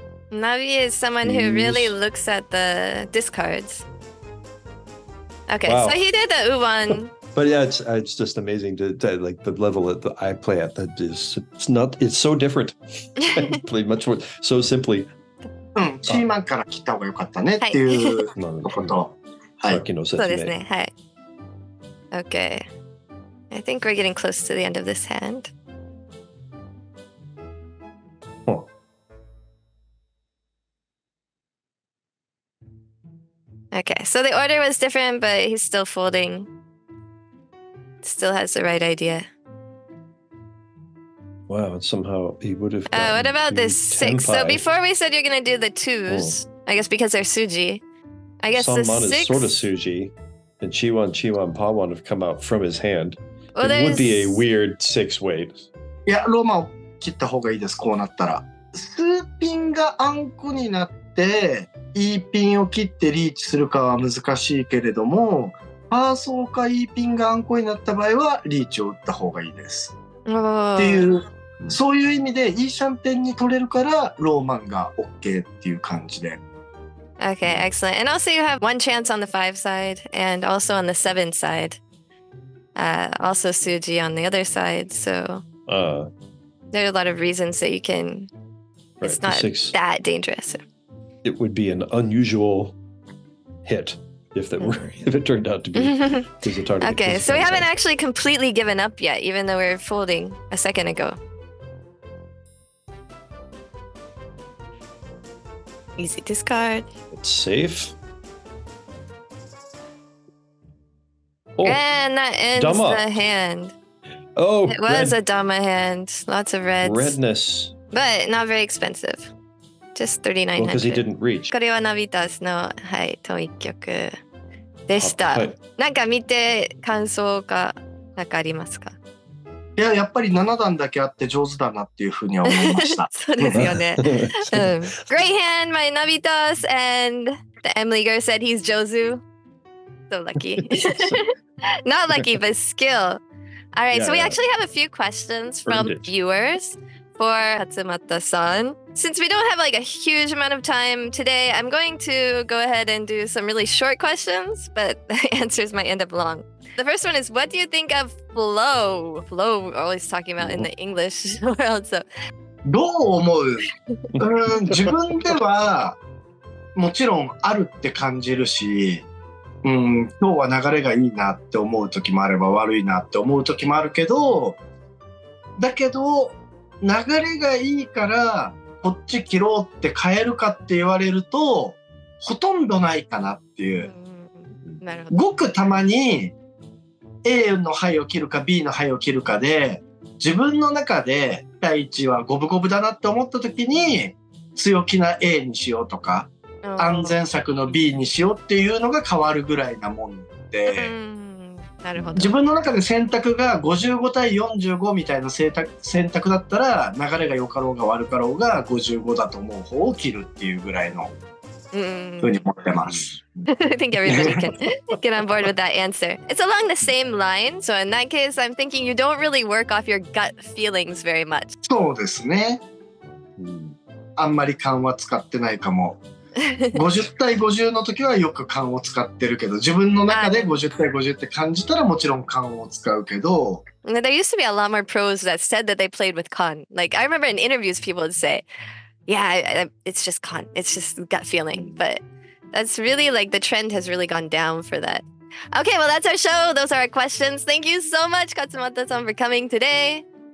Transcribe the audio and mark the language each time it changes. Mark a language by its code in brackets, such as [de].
[en] Navi is someone who really looks at the discards. Okay, wow. So he did the Uwan. But yeah, it's just amazing to like the level that I play at. That is, it's not. It's so different. I play much more so simply. [ja] チーマンから切った方が良かったねっていうこと、はい、さっきの説明、そうですね、はい、 [en] OK I think we're getting close to the end of this hand、OK so the order was different but he's still folding, still has the right idea。 Wow, and somehow he would have. Oh, what about this six? So before we said you're going to do the twos, I guess because they're suji. I guess Sanman the six is sort of suji, and Chiwan, Chiwan, Pawan have come out from his hand. Well, it there's... would be a weird six weight. [ja] Yeah, Roma を切った方がいいです。こうなったら、スーピンがアンコになって、イーピンを切ってリーチするかは難しいけれども、パーソーかイーピンがアンコになった場合はリーチを打った方がいいです。っていう、そういう意味でイーシャンテンに取れるからローマンが OK っていう感じで。 [en] Okay, excellent. And also you have one chance on the five side and also on the seven side. Also Suji on the other side, so There are a lot of reasons that you can, right, it's not six, that dangerous. It would be an unusual hit if that were, if it turned out to be. Okay, so we haven't actually completely given up yet, even though we were folding a second ago. Easy discard. It's safe. Oh, and that ends Dama. The hand. Oh, it was red. A Dama hand. Lots of reds. Redness. But not very expensive. Just 3,900. Because he didn't reach. [ja] これはナビタスのはい統一局でした。なんか見て感想がなんかありますか？いややっぱり7段だけあって上手だなっていうふうには思いました。そうですよね。 [en] Great hand by Navitas and the Emily girl said he's Jozu. So lucky. Not lucky, but skill. All right, yeah, so we actually have a few questions from viewers for Katsumata-san. Since we don't have like a huge amount of time today, I'm going to go ahead and do some really short questions, but the answers might end up long. The first one is, what do you think of flow? Flow, we're always talking about in the English world, so. [ja] どう思う？自分ではもちろんあるって感じるし、今日は流れがいいなって思う時もあれば悪いなって思う時もあるけど、だけど流れがいいからこっち切ろうって変えるかって言われるとほとんどないかなっていう、なるほど、ごくたまに A の牌を切るか B の牌を切るかで自分の中で第一は五分五分だなって思った時に強気な A にしようとか安全策の B にしようっていうのが変わるぐらいなもんで、なるほど、自分の中で選択が55対45みたいな選択だったら流れが良かろうが悪かろうが55だと思う方を切るっていうぐらいの風に思ってます。 [en] I think everybody can get on board with that answer. It's along the same line. So in that case, I'm thinking you don't really work off your gut feelings very much. [ja] そうですね、あんまり勘は使ってないかも。 50対50の時はよく勘を使ってるけど、自分の中で50対50って感じたらもちろん勘を使うけど。 [en] Now, there used to be a lot more pros that said that they played with con. Like, I remember in interviews people would say, yeah, it's just con. It's just gut feeling. But that's really like the trend has really gone down for that. Okay, well, that's our show. Those are our questions. Thank you so much, Katsumata-san, for coming today.